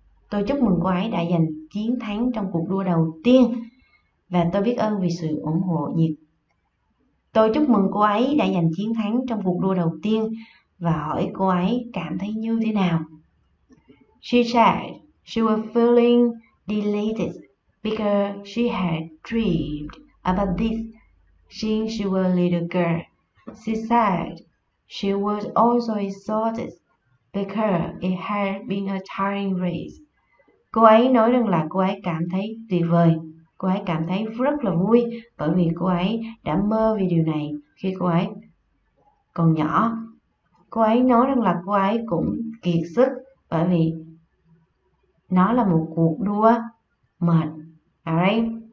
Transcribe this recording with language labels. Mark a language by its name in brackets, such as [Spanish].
[Vietnamese] Tôi chúc mừng cô ấy đã giành chiến thắng trong cuộc đua đầu tiên và tôi biết ơn vì sự ủng hộ nhiệt. Tôi chúc mừng cô ấy đã giành chiến thắng trong cuộc đua đầu tiên và hỏi cô ấy cảm thấy như thế nào. [English] She said she was feeling delighted because she had dreamed about this since she was a little girl. She said she was also exhausted because it had been a tiring race. [Vietnamese] Cô ấy nói rằng là cô ấy cảm thấy tuyệt vời. Cô ấy cảm thấy rất là vui bởi vì cô ấy đã mơ về điều này khi cô ấy còn nhỏ. Cô ấy nói rằng là cô ấy cũng kiệt sức bởi vì nó là một cuộc đua mệt. Alright.